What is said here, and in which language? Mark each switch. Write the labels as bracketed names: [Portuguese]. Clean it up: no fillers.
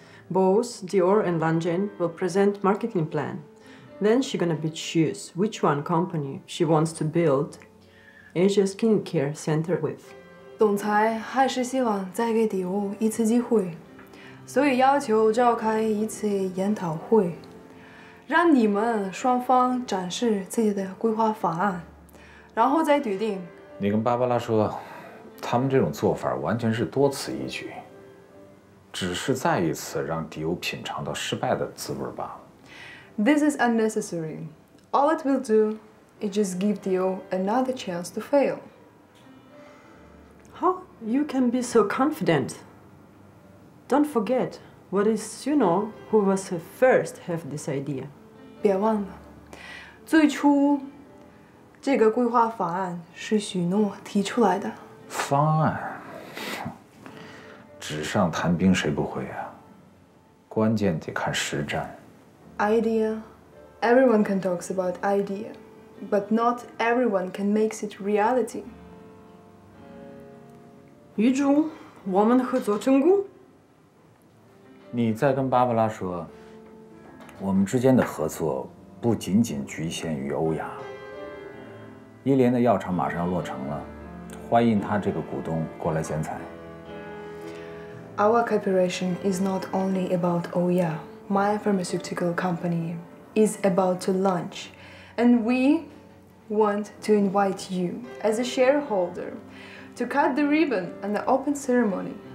[English] Both Dior and Lanjin will present marketing plan. Then she's gonna be choose which one company she wants to build Asia skincare center with. [Chinese] 总裁还是希望再给 Dior 一次机会，所以要求召开一次研讨会，让你们双方展示自己的规划方案，然后再决定。你跟芭芭拉说。他们这种做法完全是多此一举，只是再一次让迪欧品尝到失败的滋味罢了。 [English] This is unnecessary. All it will do is just give Dio another chance to fail. How you can be so confident? Don't forget what is Suno who was the first have this idea. [Chinese] 别忘了，最初这个规划方案是许诺提出来的。方案，纸上谈兵谁不会啊？关键得看实战。 [English] Idea, everyone can talk about idea, but not everyone can make it reality. [Chinese] 余总，我们合作成功。你在跟芭芭拉说，我们之间的合作不仅仅局限于欧亚。一连的药厂马上要落成了。欢迎他这个股东过来剪彩。 [English] Our cooperation is not only about Oya. My pharmaceutical company is about to launch, and we want to invite you as a shareholder to cut the ribbon and the open ceremony.